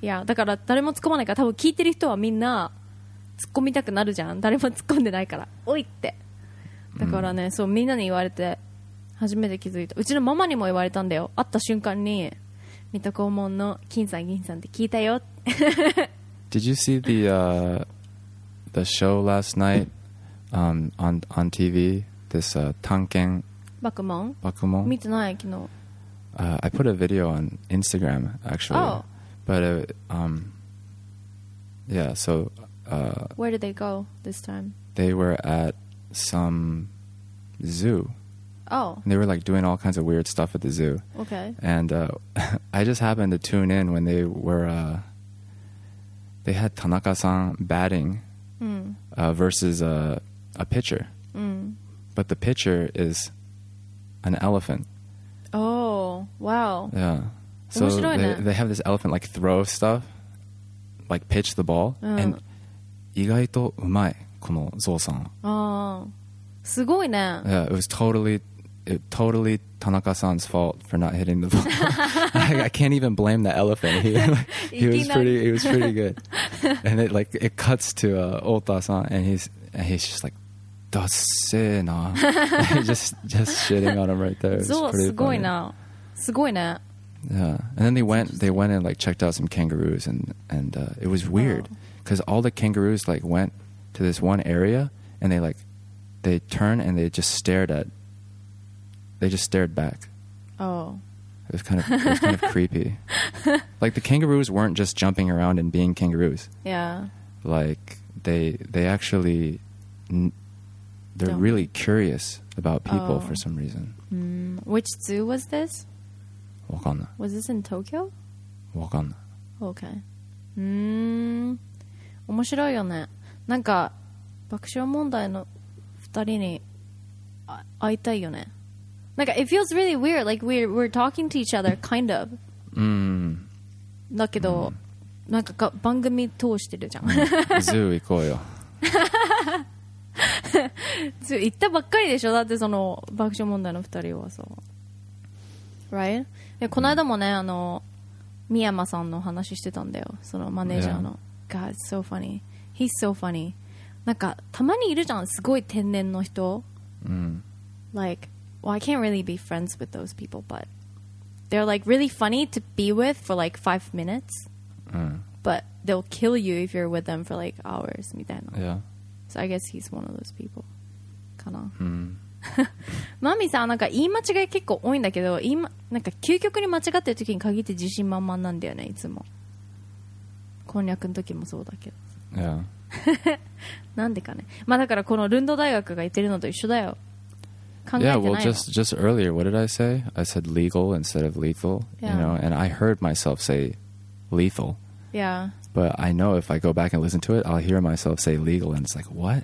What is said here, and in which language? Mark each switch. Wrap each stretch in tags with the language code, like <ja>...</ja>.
<ja>Yeah, だから誰も突っ込まないから、多分聞いてる人はみんな突っ込みたくなるじゃん、誰も突っ込んでないから、おいって。だからね、そうみんなに言われて初めて気づいた。うちのママにも言われたんだよ、会った瞬間にミトコモンの金さん銀さんって聞いたよ</ja> <en>Did you see the show last night on TV? This 探検</en> <ja>爆問、爆問見てない昨日。</ja> <en>I put a video on Instagram, actually. Oh. But, yeah, so... Where did they go this time? They were at some zoo. Oh. And they were, like, doing all kinds of weird stuff at the zoo. Okay. And I just happened to tune in when they were... they had Tanaka-san batting versus a pitcher. Mm. But the pitcher is an elephant. Oh, wow. Yeah. So they have this elephant like throw stuff, like pitch the ball.</en> <ja>And 意外とうまい、このゾウさん。ああ、すごいね。</ja> <en>Yeah, it was totally Tanaka-san's fault for not hitting the ball. I can't even blame the elephant. He was pretty good. And it cuts to Ota-san and he's just like,</en> <ja>ダッセーな</ja> <en>just shitting on him right there.</en> <ja>ゾウすごいな、すごいね。</ja> <en>Yeah. And then they went and like checked out some kangaroos and it was weird because all the kangaroos like went to this one area and they turned and they just stared back. Oh. It was kind of creepy. Like the kangaroos weren't just jumping around and being kangaroos. Yeah. Like they actuallythey're really curious about people、oh. for some reason.、 Mm. Which zoo was this? Wakanna. Was this in Tokyo? Wakanna.</en> <ja>Okay. Hmm. 面白いよね。なんか爆笑問題の二人に会いたいよね。</ja> <en>なんか it feels really weird. Like we're talking to each other, kind of. Hmm.</en> <ja>だけど、なんか番組通してるじゃん。 Zoo 行こうよ。行ったばっかりでしょ、だってその爆笑問題の2人はさ、right? この間もね、三山さんの話してたんだよ、そのマネージャーの、yeah.</ja> <en>God, so funny. He's so funny.</en> <ja>なんかたまにいるじゃん、すごい天然の人、</ja> <en>Like, well, I can't really be friends with those people, but they're like really funny to be with for like 5 minutes、But they'll kill you if you're with them for like hours みたいな。 Yeah. So I guess he's one of those people.</en> <ja>かな。マミさん、なんか言い間違い結構多いんだけど、なんか究極に間違ってる時に限って自信満々なんだよね、いつも。こんにゃくの時もそうだけど。</ja> <en>Yeah.</en> <ja>なんでかね。まあだからこのルンド大学が言ってるのと一緒だよ。考えてないの。</ja> <en>Yeah, well, just earlier, what did I say? I said legal instead of lethal. Yeah. You know, and I heard myself say lethal. Yeah. But I know if I go back and listen to it, I'll hear myself say legal, and it's like, what?</en>